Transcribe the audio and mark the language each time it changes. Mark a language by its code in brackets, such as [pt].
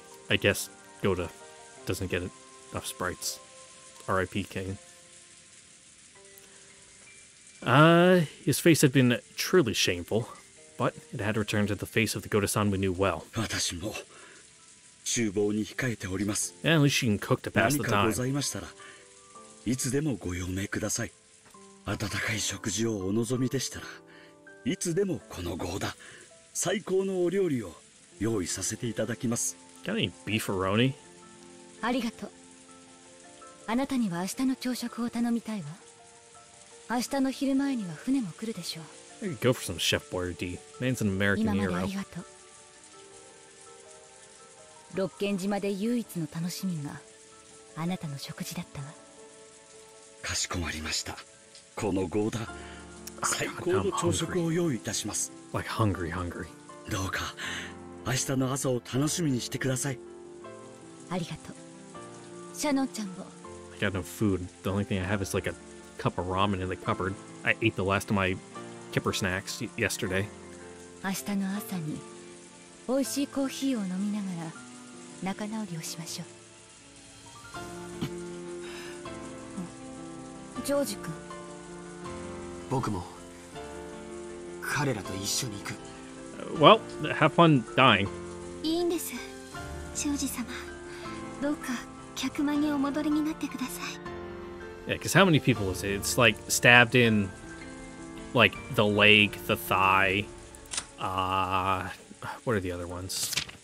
[en] I guess Goda doesn't get enough sprites. R.I.P. Kane. His face had been truly shameful, but it had returned to the face of the Goda-san we knew well. Yeah, at least she can cook to pass the time. [ja] いつでもご用命ください。温かい食事をお望みでしたら、いつでもこの豪だ。最高のお料理を用意させていただきます。 [en] Got any beefaroni? [ja] ありがとう。あなたには明日の朝食を頼みたいわ。明日の昼前には船も来るでしょう。 [en] Go for some Chef Boyardee. Man's an American hero. [ja] 今までありがとう。六軒島で唯一の楽しみがあなたの食事だったわ。かしこまりました。このゴーダ、最高の朝食を用意いたします。 [en] Like hungry, hungry. [ja] どうか、明日の朝を楽しみにしてください。ありがとう。シャノンちゃんも。 [en] I got no food. The only thing I have is like a cup of ramen in the cupboard. I ate the last of my kipper snacks yesterday. [ja] 明日の朝に、美味しいコーヒーを飲みながら、仲直りをしましょう。ジョージ君、僕も彼らと一緒に行く。 [en] Well, have fun dying. [ja] いいんです、ジョージ様。どうか客間にお戻りになってください。 [en] Yeah, because how many people is it? It's like stabbed in, like the leg, the thigh. What are the other ones?